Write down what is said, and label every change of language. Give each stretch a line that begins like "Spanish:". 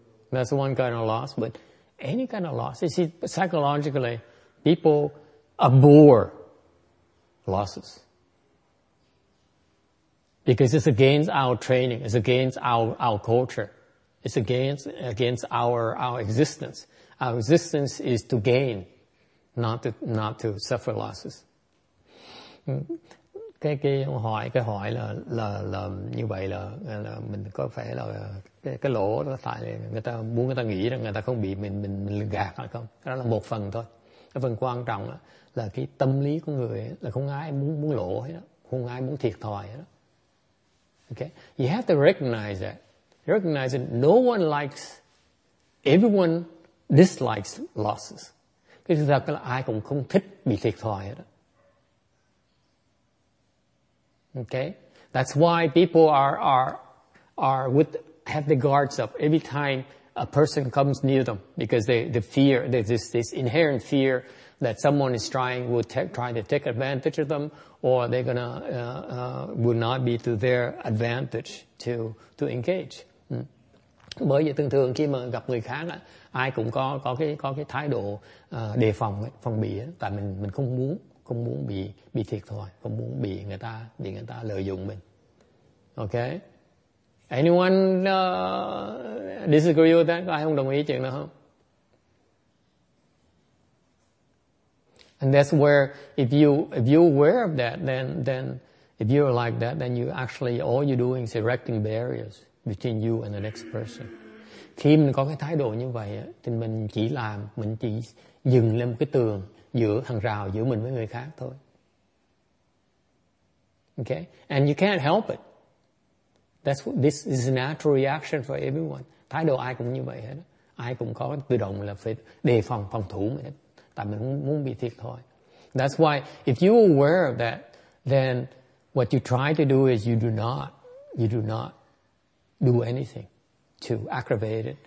English: That's one kind of loss, but any kind of loss. You see, psychologically, people abhor losses because it's against our training, it's against our culture, it's against our existence. Our existence is to gain, not to suffer losses.
Vietnamese: Cái hỏi là như vậy là mình có phải là cái lỗ đó tại người ta muốn người ta nghĩ rằng người ta không bị mình gạt hay không? Đó là một phần thôi. Cái phần quan trọng là cái tâm lý của người là không ai muốn lỗ hết đó, không ai muốn thiệt thòi hết đó.
English: Okay? You have to recognize that. Recognize that no one likes, everyone dislikes losses.
Vietnamese: Cái sự thật là ai cũng không thích bị thiệt thòi hết đó.
English: Okay, that's why people have the guards up every time a person comes near them, because they fear, there's this inherent fear that someone is trying to take advantage of them, or they're gonna would not be to their advantage to engage.
Vietnamese: Bởi vì thường thường khi mà gặp người khác ai cũng có cái thái độ đề phòng bị, tại mình không muốn bị thiệt thòi, không muốn bị người ta lợi dụng mình. Okay?
English: Anyone disagree with that?
Vietnamese: Có ai không đồng ý chuyện đó không?
English: And that's where if you aware of that, then if you're like that, then you actually all you're doing is erecting barriers between you and the next person.
Vietnamese: Khi mình có cái thái độ như vậy thì mình chỉ làm, mình chỉ dựng lên một cái tường giữa hàng rào giữa mình với người khác thôi.
English: Okay? And you can't help it. That's what, this is a natural reaction for everyone.
Vietnamese: Thái độ ai cũng như vậy hết. Ai cũng có tự động là phải đề phòng, phòng thủ mình hết. Tại mình muốn bị thiệt thôi.
English: That's why if you're aware of that, then what you try to do is you do not do anything to aggravate it.